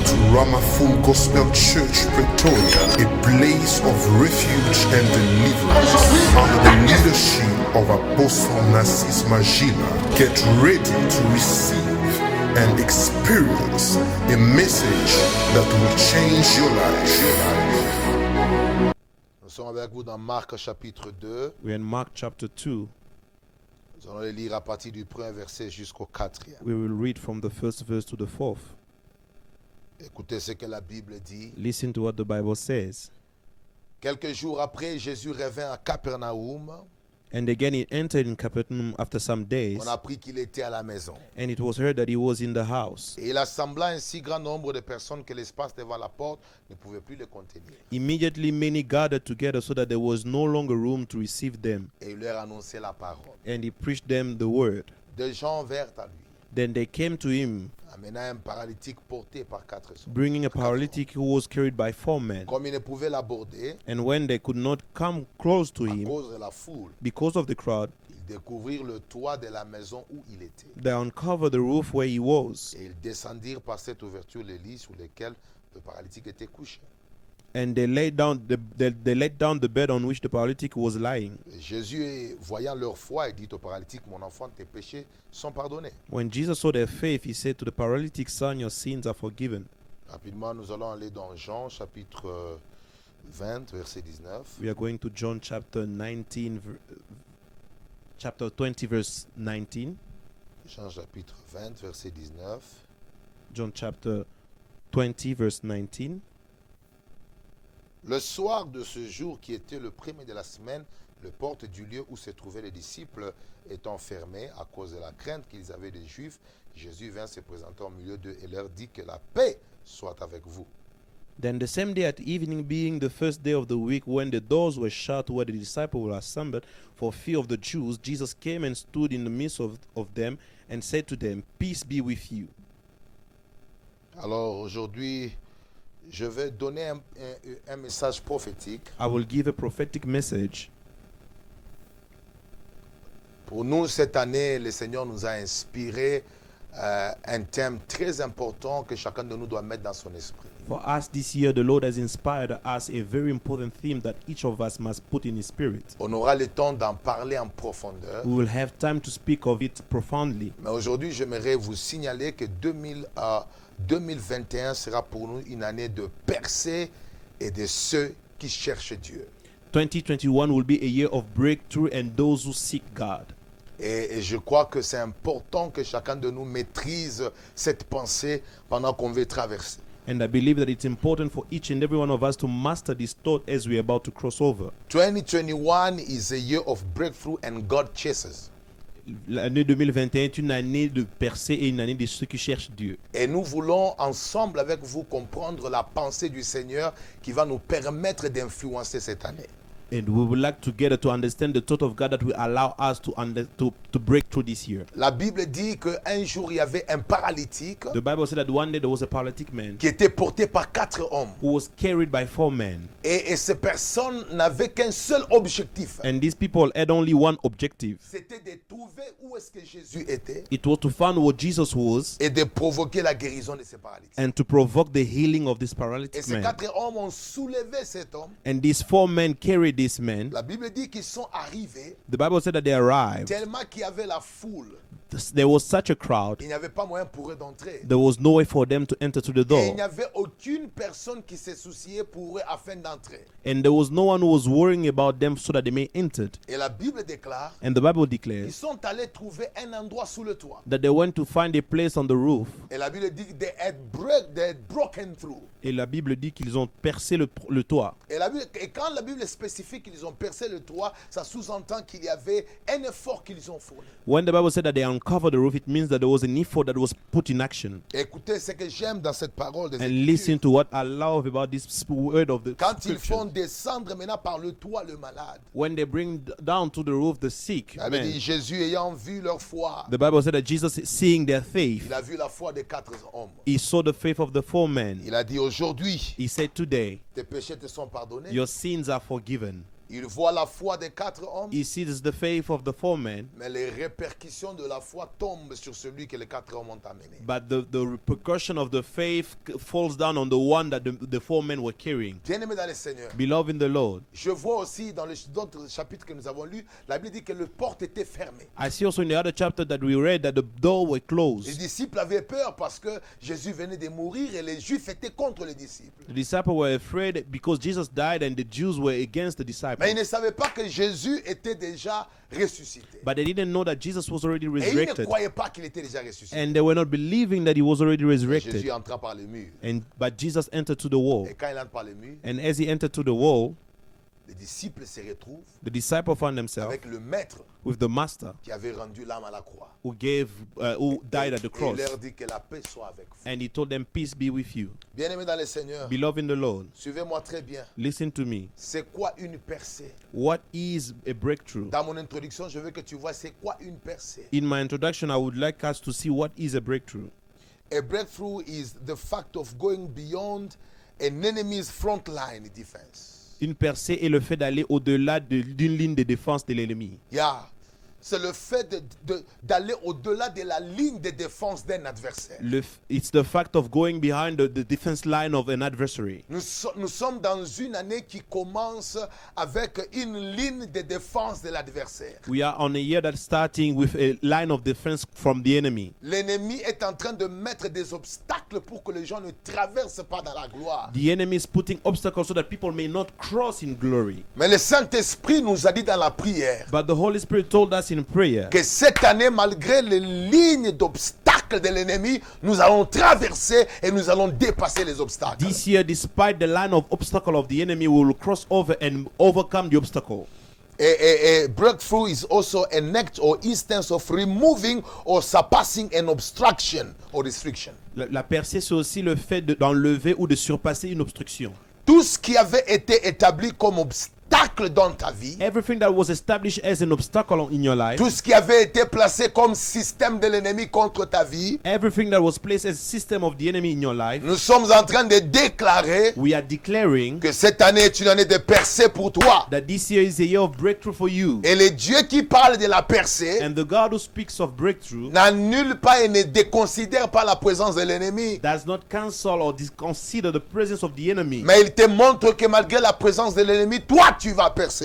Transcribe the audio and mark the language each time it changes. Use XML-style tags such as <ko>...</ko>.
<en>Drama Full Gospel Church, Pretoria, a place of refuge and deliverance under the leadership of Apostle Narcisse Majila. Get ready to receive and experience a message that will change your life.</en> <fr>Nous sommes avec vous dans Marc chapitre 2.</fr> <en>We're in Mark chapter 2.</en> <fr>Nous allons les lire à partir du premier verset jusqu'au quatrième.</fr> <en>We will read from the first verse to the fourth.</en> <fr>Écoutez ce que la Bible dit.</fr> <en>Listen to what the Bible says.</en> <fr>Quelques jours après, Jésus revint à Capernaum.</fr> <en>And again he entered in Capernaum after some days.</en> <fr>On a appris qu'il était à la maison.</fr> <en>And it was heard that he was in the house.</en> <fr>Et il assembla un si grand nombre de personnes que l'espace devant la porte ne pouvait plus le contenir.</fr> <en>Immediately many gathered together so that there was no longer room to receive them.</en> <fr>Et il leur annonçait la parole.</fr> <en>And he preached them the word.</en> <fr>Des gens vinrent à lui.</fr> <en>Then they came to him.</en> <fr>Amenant un paralytique porté par quatre hommes.</fr> <en>Bringing a paralytic who was carried by four men.</en> <fr>Comme ils ne pouvaient l'aborder,</fr> <en>and when they could not come close to him,</en> <fr>cause de la foule,</fr> <en>because of the crowd,</en> <fr>ils découvrirent le toit de la maison où il était.</fr> <en>They uncovered the roof where he was.</en> <fr>Et ils descendirent par cette ouverture les lits sur lesquels le paralytique était couché.</fr> <en>And they laid down the bed on which the paralytic was lying.</en> <fr>Jésus voyant leur foi et dit au paralytique, mon enfant, tes péchés sont pardonnés.</fr> <en>When Jesus saw their faith, he said to the paralytic, son, your sins are forgiven.</en> <fr>Rapidement, nous allons aller dans Jean chapitre 20, verset 19.</fr> <en>We are going to John chapter 20, verse 19.</en> <fr>Jean chapitre 20, verset 19.</fr> <en>John chapter 20, verse 19.</en> <fr>Le soir de ce jour qui était le premier de la semaine, la porte du lieu où se trouvaient les disciples étant fermée à cause de la crainte qu'ils avaient des Juifs, Jésus vint se présenter au milieu d'eux et leur dit que la paix soit avec vous.</fr> <en>Then the same day at evening, being the first day of the week, when the doors were shut where the disciples were assembled for fear of the Jews, Jesus came and stood in the midst of them and said to them, peace be with you.</en> <fr>Alors aujourd'hui, je vais donner un message prophétique.</fr> <en>I will give a prophetic message.</en> <fr>Pour nous, cette année, le Seigneur nous a inspiré un thème très important que chacun de nous doit mettre dans son esprit.</fr> <en>For us this year, the Lord has inspired us a very important theme that each of us must put in his spirit.</en> <fr>On aura le temps d'en parler en profondeur.</fr> <en>We will have time to speak of it profoundly.</en> <fr>Mais aujourd'hui, j'aimerais vous signaler que 2021 sera pour nous une année de percée et de ceux qui cherchent Dieu.</fr> <en>2021 will be a year of breakthrough and those who seek God.</en> <fr>Et je crois que c'est important que chacun de nous maîtrise cette pensée pendant qu'on veut traverser.</fr> <en>And I believe that it's important for each and every one of us to master this thought as we are about to cross over. 2021 is a year of breakthrough and God chases.</en> <fr>L'année 2021 est une année de percée et une année de ceux qui cherchent Dieu. Et nous voulons ensemble avec vous comprendre la pensée du Seigneur qui va nous permettre d'influencer cette année.</fr> <en>And we would like together to understand the thought of God that will allow us to break through this year.</en> <fr>La Bible dit que un jour il y avait un paralytique.</fr> <en>The Bible said that one day there was a paralytic man</en> <fr>qui était porté par quatre hommes.</fr> <en>Who was carried by four men.</en> <fr>Et ces personnes n'avaient qu'un seul objectif.</fr> <en>And these people had only one objective.</en> <fr>C'était de trouver où est-ce que Jésus était.</fr> <en>It was to find where Jesus was.</en> <fr>Et de provoquer la guérison de ce paralytique.</fr> <en>And to provoke the healing of this paralytic man.</en> <fr>Et ces quatre hommes ont soulevé cet homme.</fr> <en>And these four men carried this man.</en> <fr>La Bible dit qu'ils sont arrivés.</fr> <en>The Bible said that they arrived.</en> <fr>Tellement qu'il y avait la foule.</fr> <en>There was such a crowd.</en> <fr>Il n'y avait pas moyen pour eux d'entrer.</fr> <en>There was no way for them to enter through the door.</en> <fr>Et il n'y avait aucune personne qui se souciait pour eux afin d'entrer.</fr> <en>And there was no one who was worrying about them so that they may enter.</en> <fr>Et la Bible déclare.</fr> <en>And the Bible declares.</en> <fr>Ils sont allés trouver un endroit sous le toit.</fr> <en>That they went to find a place on the roof.</en> <fr>Et la Bible dit</fr> <en>they had broken through.</en> <fr>Et la Bible dit qu'ils ont percé le toit. Et quand la Bible spécifie qu'ils ont percé le toit, ça sous-entend qu'il y avait un effort qu'ils ont fourni.</fr> <en>When the Bible said that they uncover the roof, it means that there was an effort that was put in action.</en> <fr>Écoutez ce que j'aime dans cette parole des</fr> <en>Écritures. And listen to what I love about this word of the</en> <fr>Quand ils font descendre maintenant par le toit le malade.</fr> <en>When they bring down to the roof the sick.</en> <fr>Dit Jésus ayant vu leur foi.</fr> <en>The Bible said that Jesus seeing their faith.</en> <fr>Il a vu la foi des quatre hommes.</fr> <en>He saw the faith of the four men.</en> <fr>Il a dit aujourd'hui.</fr> <en>He said today.</en> <fr>Tes péchés te sont pardonnés.</fr> <en>Your sins are forgiven.</en> <fr>Il voit la foi des quatre hommes.</fr> <en>He sees the faith of the four men.</en> <fr>Mais les répercussions de la foi tombent sur celui que les quatre hommes ont amené.</fr> <en>But the repercussion of the faith falls down on the one that the four men were carrying.</en> <fr>Bien-aimé dans le Seigneur.</fr> <en>Beloved in the Lord.</en> <fr>Je vois aussi dans le chapitre que nous avons lu, la Bible dit que le porte était fermée.</fr> <en>I see also in the other chapter that we read that the door were closed.</en> <fr>Les disciples avaient peur parce que Jésus venait de mourir et les Juifs étaient contre les disciples.</fr> <en>The disciples were afraid because Jesus died and the Jews were against the disciples.</en> <fr>Mais ils ne savaient pas que Jésus était déjà ressuscité.</fr> <en>But they didn't know that Jesus was already resurrected.</en> <fr>Et ils ne croyaient pas qu'il était déjà ressuscité.</fr> <en>And they were not believing that he was already resurrected.</en> <fr>Et Jésus entra par le mur.</fr> <en>But Jesus entered to the wall.</en> <fr>Et quand il entre par le mur,</fr> <en>and as he entered to the wall,</en> <fr>les disciples se retrouvent.</fr> <en>The disciples found themselves</en> <fr>avec le maître,</fr> <en>with the master,</en> <fr>qui avait rendu l'âme à la croix,</fr> <en>who died at the cross.</en> <fr>Et il leur dit que la paix soit avec vous.</fr> <en>And he told them, peace be with you.</en> <fr>Bien-aimés dans le Seigneur,</fr> <en>beloved in the Lord,</en> <fr>suivez-moi très bien.</fr> <en>Listen to me.</en> <fr>C'est quoi une percée?</fr> <en>What is a breakthrough?</en> <fr>Dans mon introduction, je veux que tu vois c'est quoi une percée.</fr> <en>In my introduction, I would like us to see what is a breakthrough. A breakthrough is the fact of going beyond an enemy's front line defense.</en> <fr>Une percée est le fait d'aller au-delà d'une ligne de défense de l'ennemi. Yeah. C'est le fait d'aller au-delà de la ligne de défense d'un adversaire.</fr> <en>It's the fact of going behind the defense line of an adversary.</en> <fr>Nous sommes dans une année qui commence avec une ligne de défense de l'adversaire.</fr> <en>We are on a year that's starting with a line of defense from the enemy.</en> <fr>L'ennemi est en train de mettre des obstacles pour que les gens ne traversent pas dans la gloire.</fr> <en>The enemy is putting obstacles so that people may not cross in glory.</en> <fr>Mais le Saint-Esprit nous a dit dans la prière.</fr> <en>But the Holy Spirit told us in prayer,</en> <fr>que cette année, malgré les lignes d'obstacles de l'ennemi, nous allons traverser et nous allons dépasser les obstacles.</fr> <en>This year, despite the line of obstacle of the enemy, we will cross over and overcome the obstacle. A breakthrough is also an act or instance of removing or surpassing an obstruction or restriction.</en> <fr>La percée, c'est aussi le fait d'enlever ou de surpasser une obstruction. Tout ce qui avait été établi comme obstacle dans ta vie,</fr> <en>everything that was established as an obstacle in your life,</en> <fr>tout ce qui avait été placé comme système de l'ennemi contre ta vie,</fr> <en>everything that was placed as a system of the enemy in your life,</en> <fr>nous sommes en train de déclarer,</fr> <en>we are declaring,</en> <fr>que cette année est une année de percée pour toi,</fr> <en>that this year is a year of breakthrough for you.</en> <fr>Et le Dieu qui parle de la percée,</fr> <en>and the God who speaks of breakthrough,</en> <fr>n'annule pas et ne déconsidère pas la présence de l'ennemi,</fr> <en>does not cancel or disconsider the presence of the enemy,</en> <fr>mais il te montre que malgré la présence de l'ennemi, toi tu vas percer.</fr>